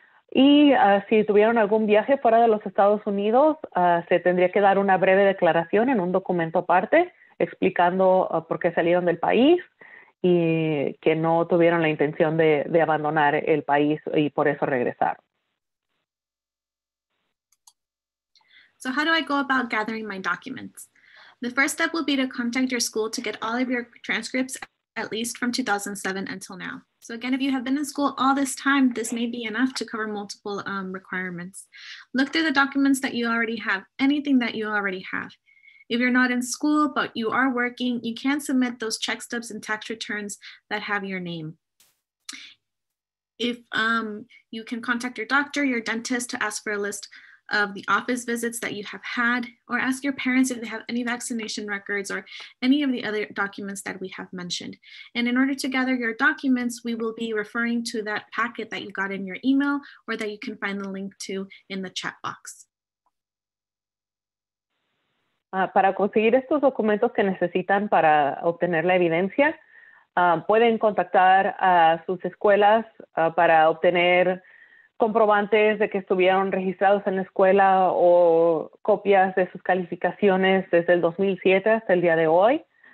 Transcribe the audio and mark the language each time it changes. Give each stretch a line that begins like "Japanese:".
Spanish: Y si tuvieron algún viaje fuera de los Estados Unidos, se tendría que dar una breve declaración en un documento aparte explicando por qué salieron del país y que no tuvieron la intención de abandonar el país y por eso regresaron.
English: So how do I go about gathering my documents? The first step will be to contact your school to get all of your transcripts, at least from 2007 until now. So again, if you have been in school all this time, this may be enough to cover multiple requirements. Look through the documents that you already have, anything that you already have. If you're not in school, but you are working, you can submit those check stubs and tax returns that have your name. If you can contact your doctor, your dentist to ask for a list of the office visits that you have had, or ask your parents if they have any vaccination records or any of the other documents that we have mentioned. And in order to gather your documents, we will be referring to that packet that you got in your email or that you can find the link to in the chat box.
Spanish: Para conseguir estos documentos que necesitan para obtener la evidencia, pueden contactar a sus escuelas para obtener comprobantes de que estuvieron registrados en la escuela o copias de sus calificaciones desde el 2007 hasta el día de hoy.